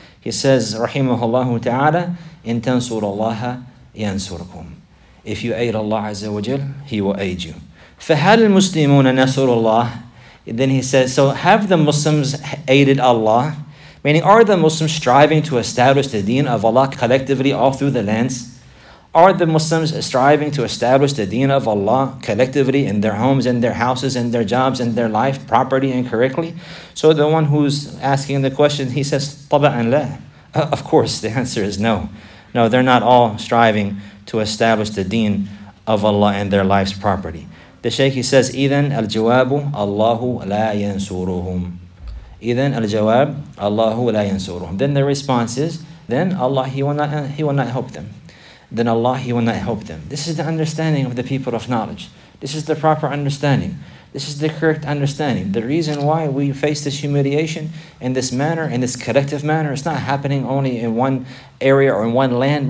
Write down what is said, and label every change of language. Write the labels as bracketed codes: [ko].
[en] He says, [ar] رحمه ta'ala, إن تنصر الله ينصركم. [en] If you aid Allah Azza wa Jal, He will aid you. [ar] فَهَلْ الْمُسْلِمُونَ نَصُرُ اللَّهِ. [en] Then he says, so have the Muslims aided Allah? Meaning, are the Muslims striving to establish the deen of Allah collectively all through the lands? Are the Muslims striving to establish the deen of Allah collectively in their homes and their houses and their jobs and their life properly and correctly? So the one who's asking the question, he says, [ar] طَبَعًا لَا. [en] Of course, the answer is no. No, they're not all striving to establish the deen of Allah and their life's property. The Shaykh, he says, [ar] إذن الجواب الله لا ينصرهم. إذن الجواب الله لا ينصرهم. [en] Then the response is, then Allah, He will not help them. Then Allah, He will not help them. This is the understanding of the people of knowledge. This is the proper understanding. This is the correct understanding. The reason why we face this humiliation in this manner, in this collective manner, it's not happening only in one area or in one land.